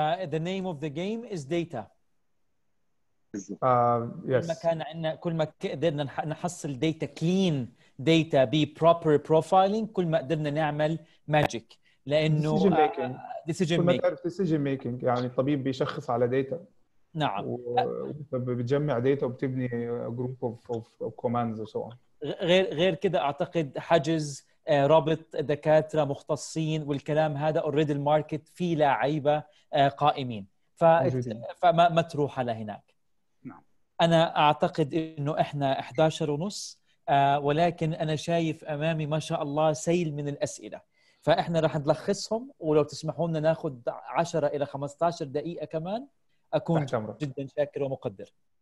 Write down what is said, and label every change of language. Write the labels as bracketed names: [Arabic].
[English] The name of the game is data. Yes. [Arabic] كل ما قدرنا نحصل [English] data clean data be proper profiling [Arabic] كل ما قدرنا نعمل magic. لأنه [English] decision making. Decision making. [Arabic] كل ما تعرف decision making يعني الطبيب بيشخص على data. نعم. وبتجمع data وبتبني [English] group of commands [Arabic] وسواء. غير كده أعتقد حجز رابط دكاترة مختصين والكلام هذا already الماركت فيه لاعيبة قائمين فما تروح على هناك. أنا أعتقد إنه إحنا 11:30 ولكن أنا شايف أمامي ما شاء الله سيل من الأسئلة فإحنا راح نلخصهم ولو تسمحون نأخذ 10 إلى 15 دقيقة كمان أكون جدا شاكر ومقدر.